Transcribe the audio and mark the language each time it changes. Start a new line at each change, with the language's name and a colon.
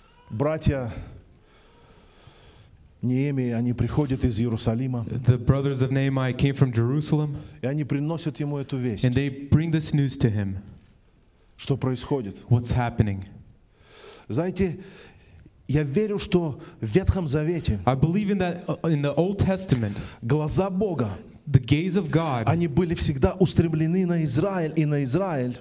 Russian: Братья Неемии, они приходят из Иерусалима.
English: The brothers of Nehemiah came from Jerusalem.
Russian: И они приносят ему эту весть.
English: And they bring this news to him.
Russian: Что происходит?
English: What's happening?
Russian: Знаете, я верю, что в Ветхом Завете
English: I believe in that in the Old Testament.
Russian: Глаза Бога,
English: the gaze of God,
Russian: они были всегда устремлены на Израиль и на Израиль,